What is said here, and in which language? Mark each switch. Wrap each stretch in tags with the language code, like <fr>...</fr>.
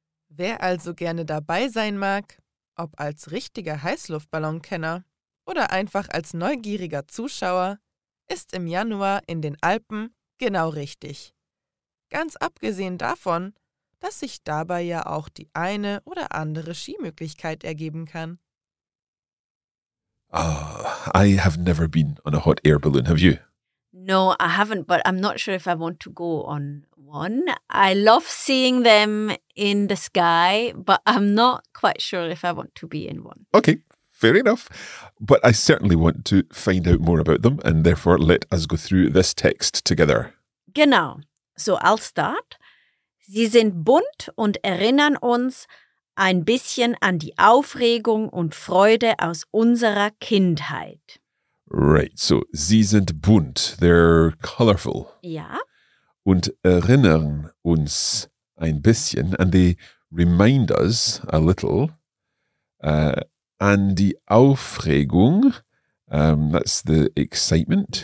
<de>Wer also gerne dabei sein mag, ob als richtiger Heißluftballonkenner oder einfach als neugieriger Zuschauer, ist im Januar in den Alpen genau richtig. Ganz abgesehen davon, dass sich dabei ja auch die eine oder andere Skimöglichkeit ergeben kann.</de> <en>Oh, I have never been on a hot air balloon, have you? No, I haven't, but I'm not sure if I want to go on one. I love seeing them in the sky, but I'm not quite sure if I want to be in one. Okay, fair enough. But I certainly want to find out more about them, and therefore let us go through this text together. Genau. So I'll start.</en> <de>Sie sind bunt und erinnern uns ein bisschen an die Aufregung und Freude aus unserer Kindheit.</de> <en>Right, so</en> <de>sie sind bunt,</de> <en>they're colorful.</en> <de>Ja. Und erinnern uns ein bisschen,</de> <en>and they remind us a little,</en> <de>an die Aufregung,</de> <en>that's the excitement.</en>